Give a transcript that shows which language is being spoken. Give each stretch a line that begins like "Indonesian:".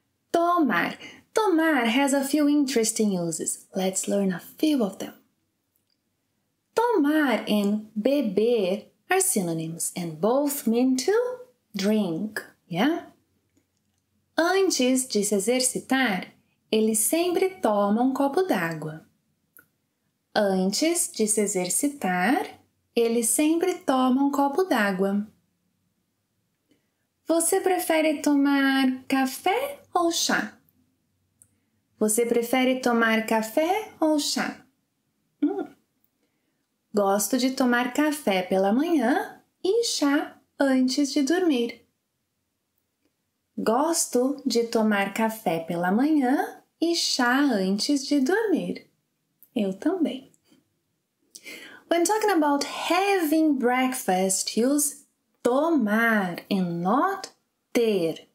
English: Tomar. Tomar has a few interesting uses. Let's learn a few of them. Tomar and beber are synonyms, and both mean to drink, yeah?
Portuguese: Antes de se exercitar, eles sempre tomam copo d'água. Antes de se exercitar, eles sempre tomam copo d'água. Você prefere tomar café ou chá? Você prefere tomar café ou chá? Gosto de tomar café pela manhã e chá antes de dormir. Gosto de tomar café pela manhã e chá antes de dormir. Eu também.
English: When talking about having breakfast, use tomar and not ter.